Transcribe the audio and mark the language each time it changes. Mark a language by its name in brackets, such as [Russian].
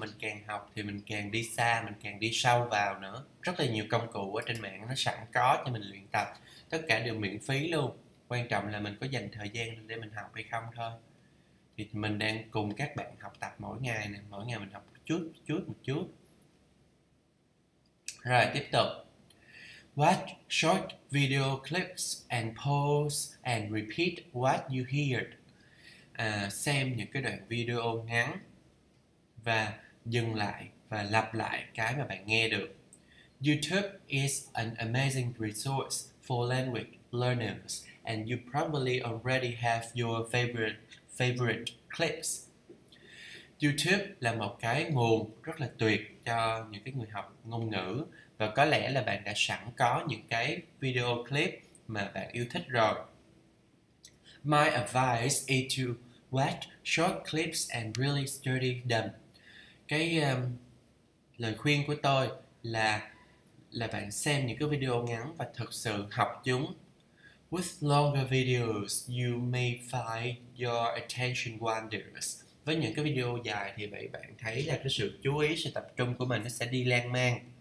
[Vietnamese] Mình càng học thì mình càng đi xa, mình càng đi sâu vào nữa. Rất là nhiều công cụ ở trên mạng nó sẵn có cho mình luyện tập. Tất cả đều miễn phí luôn. Quan trọng là mình có dành thời gian để mình học hay không thôi. Thì mình đang cùng các bạn học tập mỗi ngày nè. Mỗi ngày mình học một chút. Rồi, tiếp tục. [English] Watch short video clips and pause and repeat what you hear. [Vietnamese] À, xem những cái đoạn video ngắn và dừng lại và lặp lại cái mà bạn nghe được. [English] YouTube is an amazing resource for language learners and you probably already have your favorite clips. [Vietnamese] YouTube là một cái nguồn rất là tuyệt cho những cái người học ngôn ngữ và có lẽ là bạn đã sẵn có những cái video clip mà bạn yêu thích rồi. [English] My advice is to watch short clips and really study them. [Vietnamese] Cái lời khuyên của tôi là bạn xem những cái video ngắn và thực sự học chúng. [English] With longer videos, you may find your attention wanders. [Vietnamese] Với những cái video dài thì vậy bạn thấy là cái sự chú ý, sự tập trung của mình nó sẽ đi lan man.